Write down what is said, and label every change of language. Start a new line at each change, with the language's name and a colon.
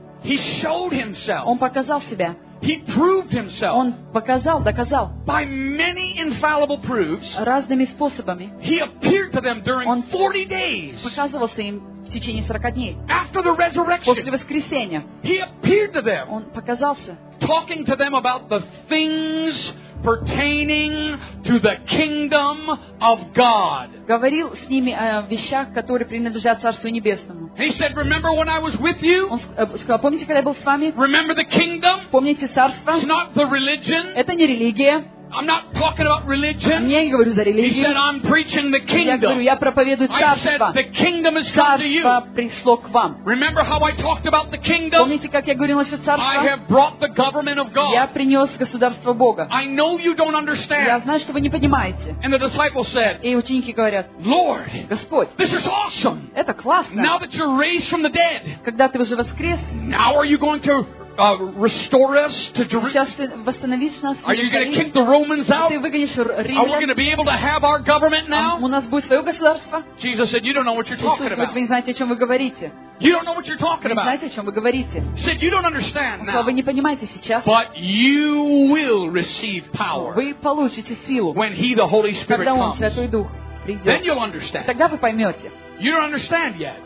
English: He showed himself.
Russian: Он показал себя.
English: He proved himself.
Russian: Он показал, доказал.
English: By many infallible proofs.
Russian: Разными способами.
English: He appeared to them during 40 days.
Russian: Показывался им в течение 40 дней.
English: After the resurrection.
Russian: После воскресения.
English: He appeared to them.
Russian: Он показался.
English: Talking to them about the things pertaining to the kingdom of God.
Russian: Говорил с ними о вещах, которые принадлежат Царству Небесному.
English: He said, "Remember when I was with you?"
Russian: Сказал: "Помните, когда я был с вами?"
English: Remember the kingdom?
Russian: Помните царство?
English: It's not the religion.
Russian: Это не религия.
English: I'm not talking about religion.
Russian: Я не говорю за религию.
English: He said, "I'm preaching the kingdom."
Russian: Я говорю: "Я проповедую царство."
English: I said, "The kingdom has come to you."
Russian: Царство пришло к вам.
English: Remember how I talked about the kingdom?
Russian: Помните, как я говорил насчет царства?
English: I have brought the government of God.
Russian: Я принес государство Бога.
English: I know you don't understand.
Russian: Я знаю, что вы не понимаете.
English: And the disciples said.
Russian: И ученики говорят:
English: "Lord,
Russian: Господь,
English: this is awesome.
Russian: Это классно.
English: Now that you're raised from the dead.
Russian: Когда ты уже воскрес.
English: Now are you going to restore us to Jerusalem? Are you going to kick the Romans out? Are we going to be able to have our government now?" Jesus said, "You don't know what you're talking about.
Russian: Вы не знаете, о чём вы говорите.
English: You don't know what you're talking about.
Russian: Вы знаете, о чём вы говорите.
English: Said, "You don't understand now.
Russian: Вы не понимаете сейчас.
English: But you will receive power.
Russian: Вы получите силу.
English: When He, the Holy Spirit,
Russian: когда
English: comes.
Russian: Он, Святой Дух, придёт.
English: Then you'll understand.
Russian: Тогда вы поймёте.
English: You don't understand yet.